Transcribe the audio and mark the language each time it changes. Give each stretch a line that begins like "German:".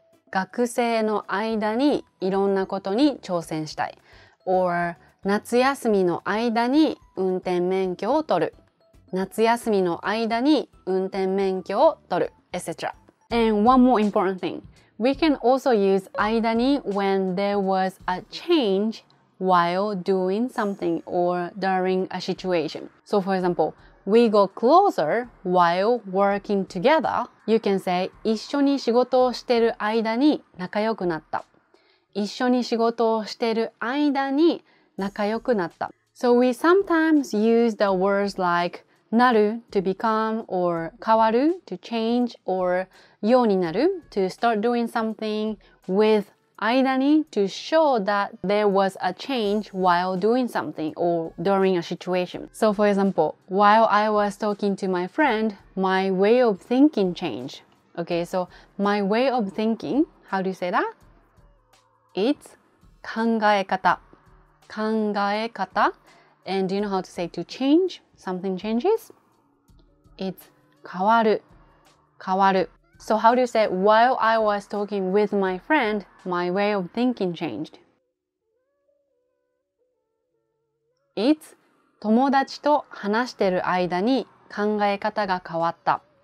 Japanese: 学生の間にいろんなことに挑戦したい。 Or 夏休みの間に運転免許を取る。夏休みの間に運転免許を取る、etc.
English: And one more important thing. We can also use 間に when there was a change while doing something or during a situation. So for example, we got closer while working together. You can say
Japanese: 一緒に仕事をしてる間に仲良くなった。一緒に仕事をしてる間に仲良くなった。
English: So we sometimes use the words likeなる to become or 変わる to change or ようになる to start doing something with Aidani to show that there was a change while doing something or during a situation. So for example, while I was talking to my friend, my way of thinking changed. Okay, so my way of thinking, how do you say that? It's 考え方. And do you know how to say to change? Something changes? It's 変わる. So how do you say, while I was talking with my friend, my way of thinking changed?
Japanese: It's 友達と話してる間に考え方が変わった.